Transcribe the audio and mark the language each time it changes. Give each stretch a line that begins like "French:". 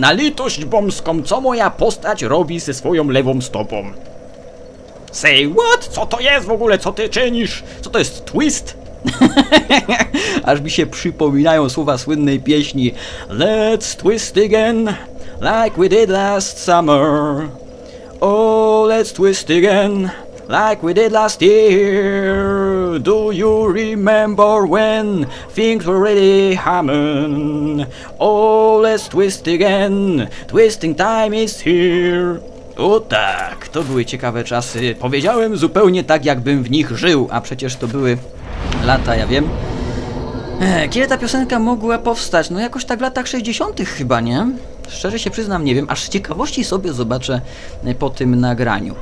Polish: Na litość bomską, co moja postać robi ze swoją lewą stopą?
English: Say what?
Polish: Co to jest w ogóle? Co ty czynisz? Co to jest twist? Aż mi się przypominają słowa słynnej pieśni
English: Let's twist again, like we did last summer. Oh, let's twist again, like we did last year. Do you remember when things were really humming? Oh, let's twist again, twisting time is here.
Polish: O tak, to były ciekawe czasy. Powiedziałem zupełnie tak, jakbym w nich żył, a przecież to były lata, ja wiem. Kiedy ta piosenka mogła powstać? No jakoś tak w latach 60. chyba, nie? Szczerze się przyznam, nie wiem, aż z ciekawości sobie zobaczę po tym nagraniu.